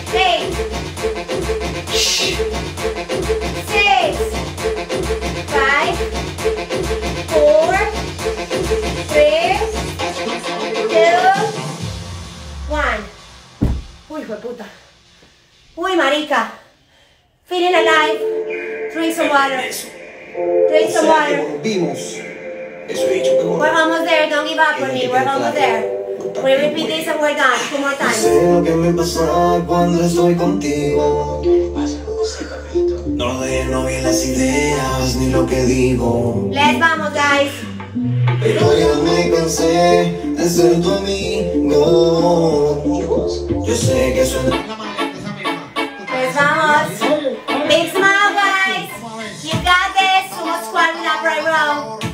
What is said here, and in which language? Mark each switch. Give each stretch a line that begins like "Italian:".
English: 8, 6, 5, 4, 3, 2, 1.
Spanish: Uy, hijo de puta. Uy, marica.
English: Feeling alive. Drink some water. Drink some water. We're almost there, don't give up on me, we're almost there. We repeat this and we're done, two more times.
Spanish: Sé lo que me pasa cuando estoy contigo. No dejo ni las ideas ni lo que digo.
English: Let's
Spanish: vamos,
English: guys.
Spanish: Pero ya me cansé de ser tu amigo. Yo sé que suena.
English: Let's
Spanish: vamos.
English: Big smile, guys. You got this. Sumo squat in upright row.